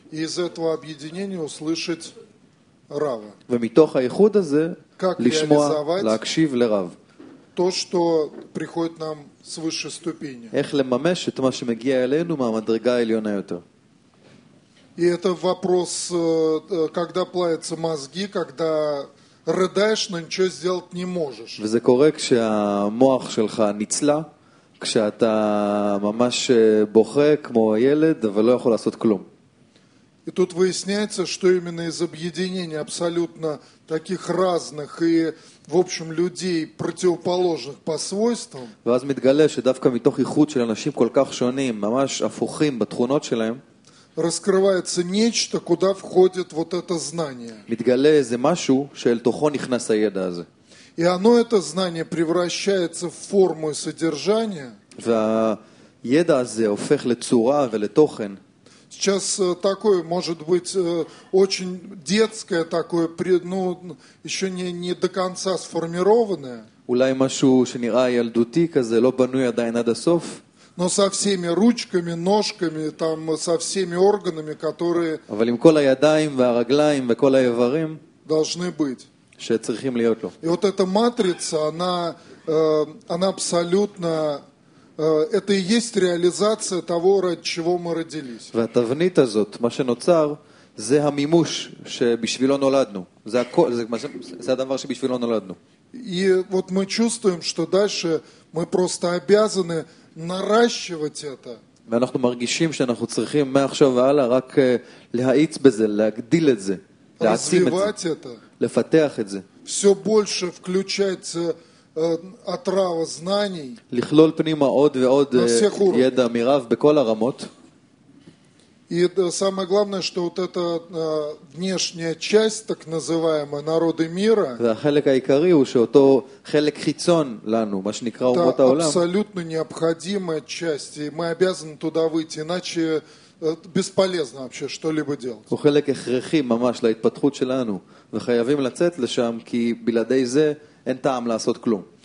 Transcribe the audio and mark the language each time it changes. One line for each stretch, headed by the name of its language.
Russian: И из этого объединения услышать рава.
Hebrew: ומתוך האיחוד הזה לשמוע, להקשיב לרב.
Russian: То, что приходит нам с высшей ступени.
Hebrew: איך לממש את מה שמגיע אלינו מהמדרגה העליונה יותר.
Russian: И это вопрос, когда плавятся мозги, когда рыдаешь, но ничего сделать не можешь.
Hebrew: וזה קורה כשהמוח שלך ניצלה, כשאתה ממש בוכה כמו ילד, אבל לא יכול לעשות כלום.
Russian: И тут выясняется, что именно из объединения абсолютно таких разных и, в общем, людей противоположных по свойствам.
Hebrew: ואז מתגלה שדווקא מתוך איחוד של אנשים כל כך שונים, ממש הפוכים בתכונות שלהם,
Russian: раскрывается нечто, куда входит вот это знание.
Hebrew: מתגלה איזה משהו שאל תוכו נכנס הידע הזה.
Russian: И оно, это знание, превращается в форму и содержание.
Hebrew: והידע הזה הופך לצורה ולתוכן.
Russian: Сейчас такое, может быть, очень детское такое, ну, еще не до конца сформированное.
Hebrew: אולי משהו שנראה ילדותי כזה, לא בנוי עדיין עד הסוף.
Russian: Но со всеми ручками, ножками, там, со всеми органами, которые...
Hebrew: אבל עם כל הידיים והרגליים וכל האיברים...
Russian: должны быть.
Hebrew: שצריכים להיות לו.
Russian: И вот эта матрица, она абсолютно... это и есть реализация того, ради чего мы родились.
Hebrew: והתבנית הזאת, מה שנוצר, זה המימוש שבשבילו נולדנו. זה הכל, זה הדבר שבשבילו נולדנו.
Russian: И вот мы чувствуем, что дальше мы просто обязаны наращивать это.
Hebrew: ואנחנו מרגישים שאנחנו צריכים מעכשיו והלאה רק להאיץ בזה, להגדיל את זה, להעצים את זה, לפתח את זה.
Russian: Все больше включается отрава знаний
Hebrew: לכלול פנימה עוד ועוד ידע מרב בכל הרמות.
Russian: И самое главное, что вот эта внешняя часть, так называемая народы мира,
Hebrew: והחלק העיקרי הוא שאותו חלק חיצון לנו, מה שנקרא אומות העולם,
Russian: это абсолютно необходимая часть, и мы обязаны туда выйти, иначе бесполезно вообще что-либо делать.
Hebrew: הוא חלק הכרחי ממש להתפתחות שלנו, וחייבים לצאת לשם, כי בלעדי זה אין טעם לעשות כלום.